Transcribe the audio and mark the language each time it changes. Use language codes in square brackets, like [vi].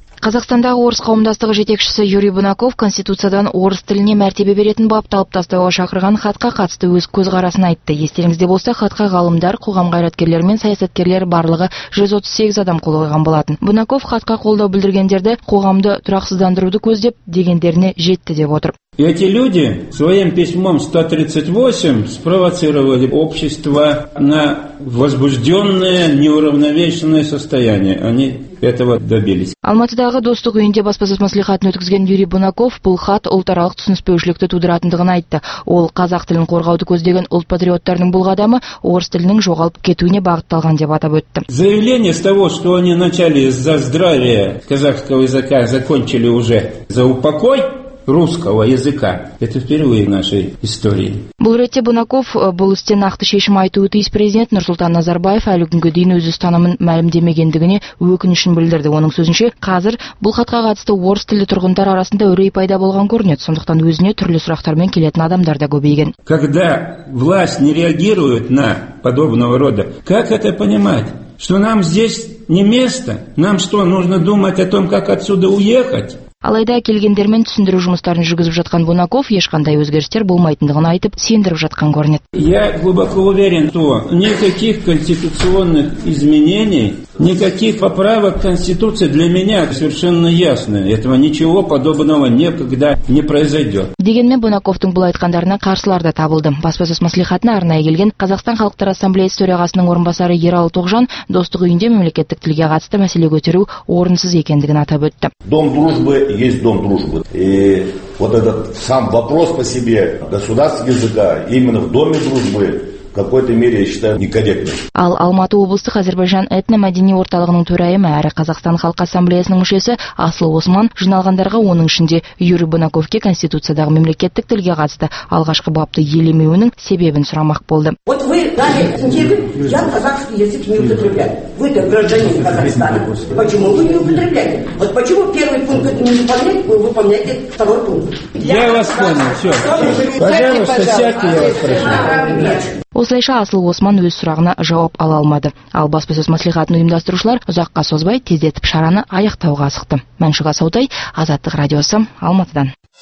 [kk] Қазақстандағы орыс қауымдастығы жетекшісі Юрий Бунаков конституциядан орыс тіліне мәртебе беретін бапты алып тастауға шақырған хатқа қатысты өз көзқарасын айтты. Естеріңізде болса, хатқа ғалымдар, қоғам қайраткерлері мен саясаткерлер барлығы 138 адам қол қойған болатын. Бунаков хатқа қолдау білдіргендерді қоғамды тұрақсыздандыруды көздеп дегендеріне жетті деп отыр. [ru] Эти люди своим письмом 138 спровоцировали общество на возбужденное неуравновешенное состояние. Они этого добились. [kk] Алматыдағы достық үйінде баспасөз мәслихатын өткізген Юрий Бунаков бұл хат ұлтаралық түсініспеушілікті тудыратындығын айтты. Ол қазақ тілін қорғауды көздеген ұлт патриоттарының бұл қадамы орыс тілінің жоғалып кетуіне бағытталған деп атап өтті. [ru] Заявление с того, что они начали за здравие казахского языка, закончили уже за упокой русского языка. Это впервые в нашей истории. [kk] Бұл ретте Бунаков бұл істе нақты шешім айтуы тиіс президент Нұрсұлтан Назарбаев әлі күнге дейін өз ұстанымын мәлімдемегендігіне өкінішін білдірді. Оның сөзінше, қазір бұл хатқа қатысты орыс тілді тұрғындар арасында үрей пайда болған көрінеді. Сондықтан өзіне түрлі сұрақтармен келетін адамдар да көбейген. [ru] Когда власть не реагирует на подобного рода, как это понимать? Что нам здесь не место? Нам что, нужно думать о том, как отсюда уехать? [kk] Алайда келгендермен түсіндіру жұмыстарын жүргізіп жатқан Бунаков ешқандай өзгерістер болмайтындығын айтып, сендіріп жатқан көрінеді. [ru] Я глубоко уверен, что никаких конституционных изменений, никаких поправок конституции для меня совершенно ясно. Этого ничего подобного никогда не произойдет. [kk] Дегенмен Бунаковтың бұл айтқандарына қарсылар да табылды. Баспасөз мәслихатына арнайы келген Қазақстан Халықтар Ассамблеясы төрағасының орынбасары Ералы Тоғжан достық үйінде мемлекеттік тілге қатысты мәселе көтеру орынсыз екендігін атап өтті. [ru] Дом дружбы есть дом дружбы. И вот этот сам вопрос по себе государственного языка именно в доме дружбы какой-то мере, я считаю, некорректной. [kk] Ал Алматы облыстық Азербайджан этно-мәдени орталығының төрайымы, әрі Қазақстан халқы ассамблеясының мүшесі Аслы Осман жиналғандарға оның ішінде Юрий Бунаковке конституциядағы мемлекеттік тілге қатысты алғашқы бапты елемеуінің себебін сұрамақ болды. [ru] Вот вы дали интервью, я казахский язык не употребляю. Вы-то гражданин Казахстана. Почему вы не употребляете? Вот почему первый пункт не выполняет, вы выполняете второй пункт. Я вас понял, все. Пожалуйста, сядьте, я вас прошу. [kk] Осылайша Асыл Осман өз сұрағына жауап ала алмады. Ал баспасөз мәслихатын ұйымдастырушылар ұзаққа созбай тездетіп шараны аяқтауға асықты. Мәншуға Саутай, Азаттық радиосы, Алматыдан.